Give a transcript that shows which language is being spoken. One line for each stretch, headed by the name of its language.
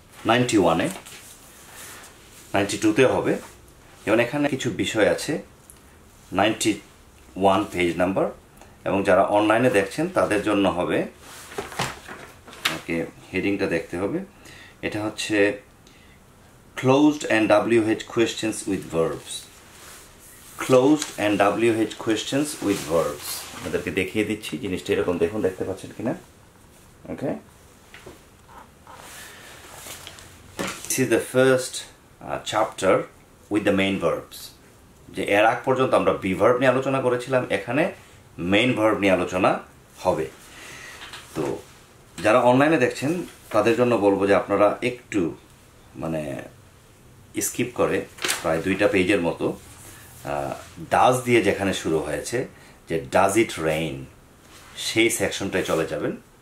Bangla: 91 92 হবে, যেমন এখানে কিছু বিষয় আছে 91 পেজ নাম্বার, এবং যারা অনলাইনে দেখছেন তাদের জন্য হবে, ওকে হেডিংটা দেখতে হবে, এটা হচ্ছে closed and WH questions with verbs, closed and WH questions with verbs. আপনাদেরকে দেখিয়ে দিচ্ছি জিনিসটা, এরকম দেখুন দেখতে পাচ্ছেন কিনা, ওকে
English: see the first chapter with the main verbs.
Bangla: যে এর আগ পর্যন্ত আমরা বি ভার্ব নিয়ে আলোচনা করেছিলাম, এখানে মেইন ভার্ব নিয়ে আলোচনা হবে। তো যারা অনলাইনে দেখছেন তাদের জন্য বলবো যে আপনারা একটু মানে স্কিপ করে প্রায় দুইটা পেজের মতো ডাজ দিয়ে যেখানে শুরু হয়েছে, যে
English: does it rain,
Bangla: সেই সেকশনটায় চলে যাবেন।